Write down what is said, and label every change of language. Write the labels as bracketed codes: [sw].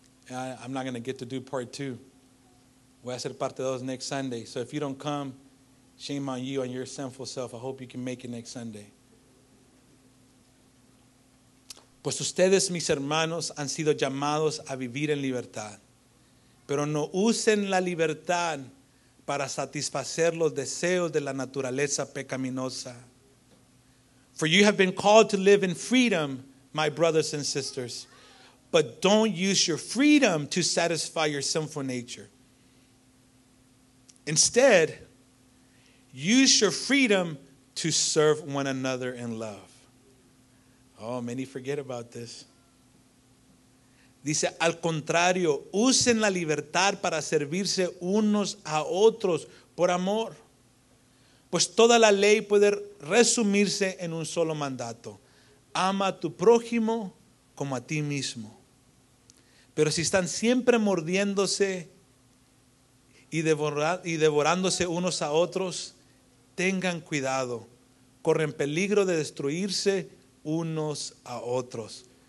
[en] I'm not going to get to do part 2. [es] Voy a hacer parte dos [en] next Sunday. So if you don't come, shame on you and your sinful self. I hope you can make it next Sunday. [es] Pues ustedes, mis hermanos, han sido llamados a vivir en libertad. Pero no usen la libertad para satisfacer los deseos de la naturaleza pecaminosa. [en] For you have been called to live in freedom, my brothers and sisters. But don't use your freedom to satisfy your sinful nature. Instead, use your freedom to serve one another in love. Oh, many forget about this. [es] Dice, al contrario, usen la libertad para servirse unos a otros por amor. Pues toda la ley puede resumirse en un solo mandato. Ama a tu prójimo como a ti mismo. Pero si están siempre mordiéndose y devorándose unos a otros, tengan cuidado, corren peligro de destruirse unos a otros.